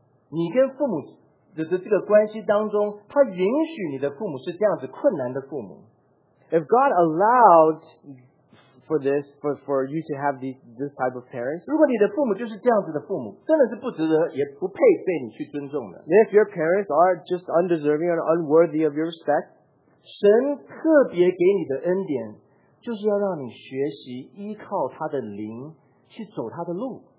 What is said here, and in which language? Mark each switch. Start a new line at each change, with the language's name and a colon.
Chinese: 你知道如果神让你在你跟父母的这个关系当中, 他允许你的父母是这样子困难的父母,
English: if God allowed for this, for you to have this type of parents,
Chinese: 如果你的父母就是这样子的父母, 真的是不值得也不配被你去尊重的,
English: if your parents are just undeserving and unworthy of your respect,
Chinese: 神特别给你的恩典, 就是要让你学习依靠他的灵, 去走他的路,